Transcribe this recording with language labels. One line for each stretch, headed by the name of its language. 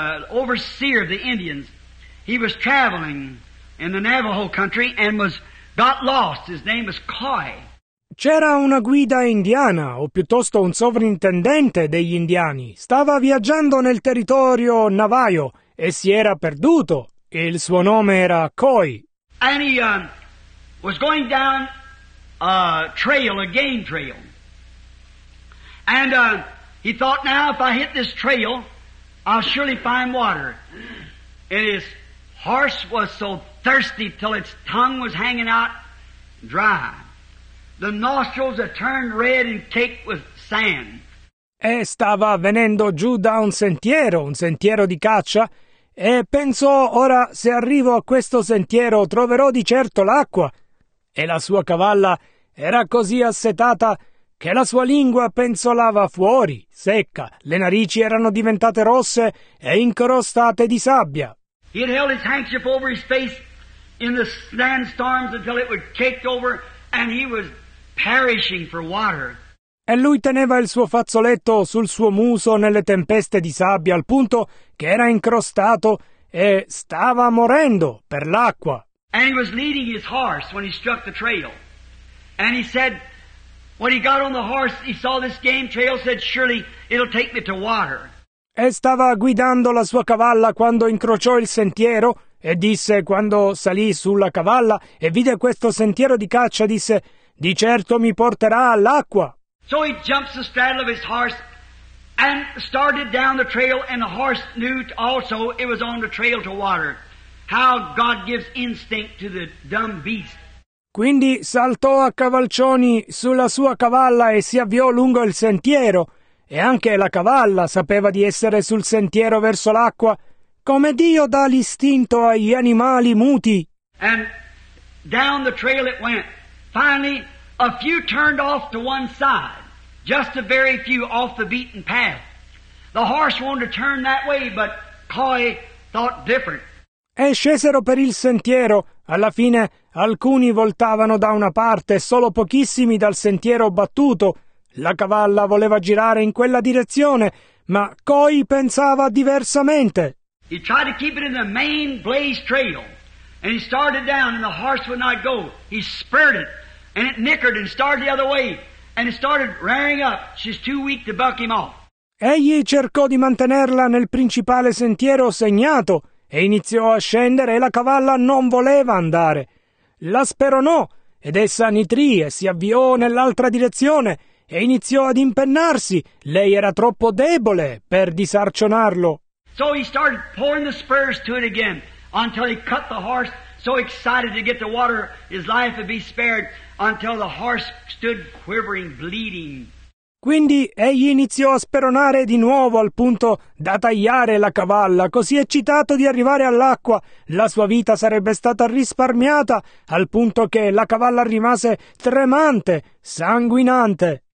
English: overseer of the Indians. He was traveling in the Navajo country and got lost. His name was Coy.
Italian: C'era una guida indiana, o piuttosto un sovrintendente degli indiani. Stava viaggiando nel territorio Navajo e si era perduto. Il suo nome era Coy.
English: And he was going down a trail, a game trail. And he thought, now if I hit this trail, I'll surely find water. And his horse was so thirsty till its tongue was hanging out dry. The nostrils had turned red and caked with sand.
Italian: E stava venendo giù da un sentiero di caccia, e pensò, ora se arrivo a questo sentiero troverò di certo l'acqua. E la sua cavalla era così assetata che la sua lingua penzolava fuori, secca, le narici erano diventate rosse e incrostate di sabbia.
English: He had held his handkerchief over his face in the sandstorms until it was caked over and he was perishing for water.
Italian: E lui teneva il suo fazzoletto sul suo muso nelle tempeste di sabbia al punto che era incrostato e stava morendo per l'acqua.
English: And he was leading his horse when he struck the trail. And he said, when he got on the horse, he saw this game trail, said, surely it'll take me to water.
Italian: E stava guidando la sua cavalla quando incrociò il sentiero, e disse, quando salì sulla cavalla e vide questo sentiero di caccia, disse, di certo mi porterà all'acqua.
English: So he jumps the straddle of his horse and started down the trail, and the horse knew also it was on the trail to water. How God gives instinct to the dumb beast.
Italian: Quindi saltò a cavalcioni sulla sua cavalla e si avviò lungo il sentiero, e anche la cavalla sapeva di essere sul sentiero verso l'acqua, come Dio dà l'istinto agli animali muti.
English: And down the trail it went. Finally, a few turned off to one side, just a very few off the beaten path. The horse wanted to turn that way, but Coy thought different.
Italian: E scesero per il sentiero. Alla fine alcuni voltavano da una parte, solo pochissimi dal sentiero battuto. La cavalla voleva girare in quella direzione, ma Coy pensava diversamente.
English: He tried to keep it in the main blaze trail, and he started down, and the horse would not go. He spurred it, and it nickered and started the other way, and it started rearing up. She's too weak to buck him off.
Italian: Egli cercò di mantenerla nel principale sentiero segnato, e iniziò a scendere e la cavalla non voleva andare. La speronò ed essa nitrì e si avviò nell'altra direzione e iniziò ad impennarsi. Lei era troppo debole per disarcionarlo.
English: So he started pouring the spurs to it again until he cut the horse, so excited to get the water, his life would be spared, until the horse stood quivering, bleeding.
Italian: Quindi egli iniziò a speronare di nuovo al punto da tagliare la cavalla, così eccitato di arrivare all'acqua. La sua vita sarebbe stata risparmiata al punto che la cavalla rimase tremante, sanguinante.